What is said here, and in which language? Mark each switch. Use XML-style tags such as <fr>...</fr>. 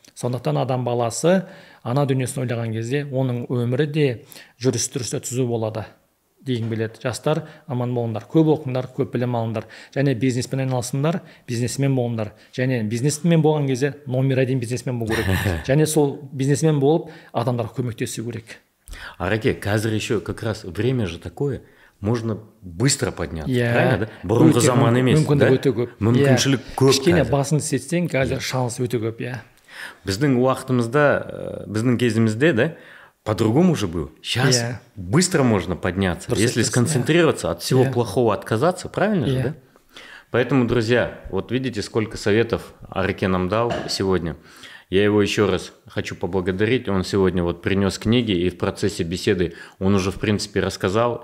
<kk>Сондықтан адам баласы ана дүниесін ойлаған кезде оның өмірі де жүріс-тұрысы түзу болады. Дейін білет. Жастар, аман болыңдар. Көп оқыңдар, көп білім алыңдар. Және бизнеспен айналысыңдар, бизнесмен болыңдар. Және бизнесмен болған кезде</kk> <ru>номер один</ru> <kk>бизнесмен болу керек. Және сол бизнесмен болып адамдарға көмектесу керек. Ареке, қазір</kk> <ru>еще как раз время же такое. Можно быстро подняться, правильно, да?</ru> <kk>Бұрынғы заман емес, мүмкіндік өте көп. Мүмкіншілік көп. Кішкене басын сетсең, қазір шанс өте көп, иә. Біздің уақытымызда, біздің кезімізде, да?</kk> <ru>По-другому же было. Сейчас быстро можно подняться, если сконцентрироваться, от всего плохого отказаться, правильно же, да? Поэтому, друзья, вот видите, сколько советов Ареке нам дал сегодня. Я его еще раз хочу поблагодарить. Он сегодня вот принес книги, и в процессе беседы он уже, в принципе, рассказал.</ru>